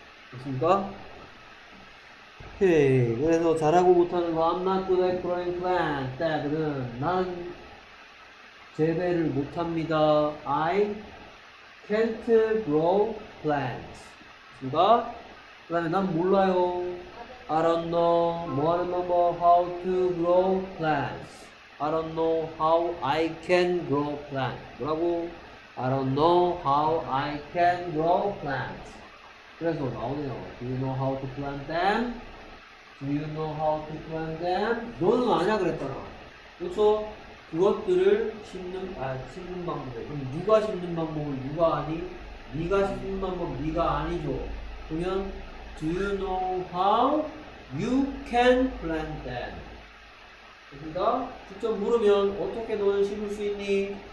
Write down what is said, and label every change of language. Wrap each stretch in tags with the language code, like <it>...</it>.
<ko>됐습니까? 오케이. 그래서 잘하고 못하는 거,</ko> <en>I'm not good at growing plants.</en> <ko>따들은, 난 재배를 못합니다.</ko> <en>I can't grow plants.</en> <ko>그니까, 그 다음에 난 몰라요.</ko> <en>I don't know.</en> <ko>뭐하는 방법?</ko> <en>How to grow plants. I don't know how I can grow plants.</en> <ko>뭐라고?</ko> <en>I don't know how I can grow plants. 그래서 나오네요. Do you know how to plant them? Do you know how to plant them?</en> <ko>너는 아냐 그랬잖아. 그래서 그것들을 심는 아 심는 방법을 그럼 누가 심는 방법을 누가 아니? 네가 심는 방법 네가 아니죠.</ko> <en>그러면 Do you know how you can plant them?</en> <ko>그러니까 직접 물으면 어떻게 너는 심을 수 있니?</ko>